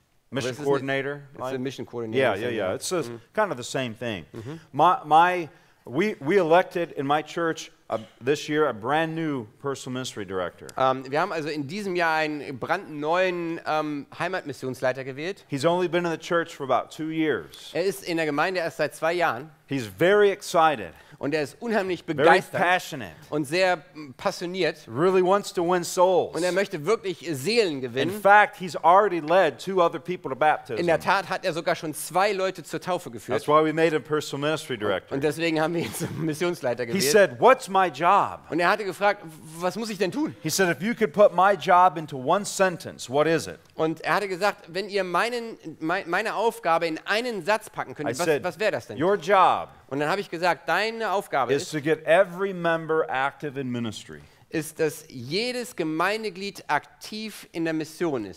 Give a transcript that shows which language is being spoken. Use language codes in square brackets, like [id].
[en] Mission coordinator. It's the mission coordinator. Yeah. It's kind of the same thing. Mm-hmm. We elected in my church this year a brand new personal ministry director. [de] Wir haben also in diesem Jahr einen brandneuen Heimatmissionsleiter gewählt. [en] He's only been in the church for about 2 years. [de] Er ist in der Gemeinde erst seit 2 Jahren. [en] He's very excited. [de] Und er ist unheimlich begeistert und sehr passioniert. [en] Really wants to win souls. [de] Und er möchte wirklich Seelen gewinnen. [en] In fact, he's already led 2 other people to baptism. [de] In der Tat hat er sogar schon 2 Leute zur Taufe geführt. [en] That's why we made him personal ministry director. [de] Und deswegen haben wir ihn zum Missionsleiter gewählt. [en] He said, "What's my job?" [de] Und er hatte gefragt, was muss ich denn tun? [en] He said, "If you could put my job into one sentence, what is it?" [de] Und er hatte gesagt, wenn ihr meine Aufgabe in einen Satz packen könntet, was wäre das denn? [en] Your job. [de] Und dann habe ich gesagt, deine Aufgabe [en] is to get every member active in ministry. [de] Ist, dass jedes Gemeindeglied aktiv in der Mission ist.